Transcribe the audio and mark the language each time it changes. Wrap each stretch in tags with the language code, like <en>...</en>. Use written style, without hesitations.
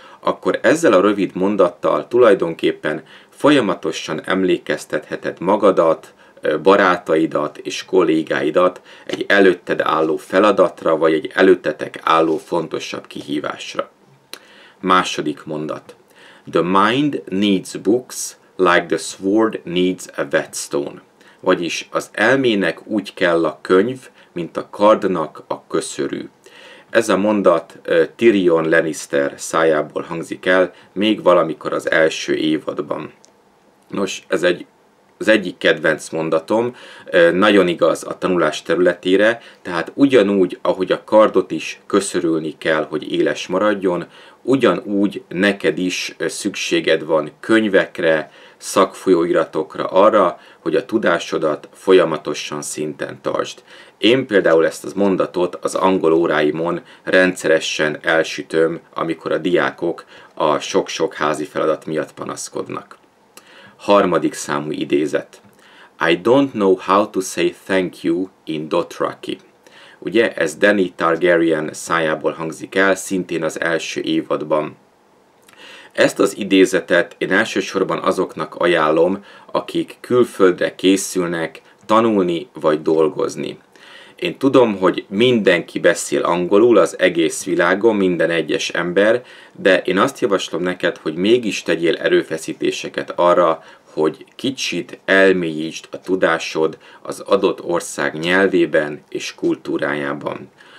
<hu>akkor ezzel a rövid mondattal tulajdonképpen folyamatosan emlékeztetheted magadat, barátaidat és kollégáidat egy előtted álló feladatra, vagy egy előttetek álló fontosabb kihívásra. Második mondat.</hu> <en>The mind needs books like the sword needs a whetstone.</en> <hu>Vagyis az elmének úgy kell a könyv, mint a kardnak a köszörű. Ez a mondat Tyrion Lannister szájából hangzik el, még valamikor az első évadban. Nos, ez az egyik kedvenc mondatom, nagyon igaz a tanulás területére, tehát ugyanúgy, ahogy a kardot is köszörülni kell, hogy éles maradjon, ugyanúgy neked is szükséged van könyvekre, szakfolyóiratokra arra, hogy a tudásodat folyamatosan szinten tartsd. Én például ezt az mondatot az angol óráimon rendszeresen elsütöm, amikor a diákok a sok-sok házi feladat miatt panaszkodnak. Harmadik számú idézet.</hu> <en>I don't know how to say thank you in Dothraki.</en> <hu>Ugye, ez Dany Targaryen szájából hangzik el, szintén az első évadban. Ezt az idézetet én elsősorban azoknak ajánlom, akik külföldre készülnek tanulni vagy dolgozni. Én tudom, hogy mindenki beszél angolul, az egész világon, minden egyes ember, de én azt javaslom neked, hogy mégis tegyél erőfeszítéseket arra, hogy kicsit elmélyítsd a tudásod az adott ország nyelvében és kultúrájában.</hu>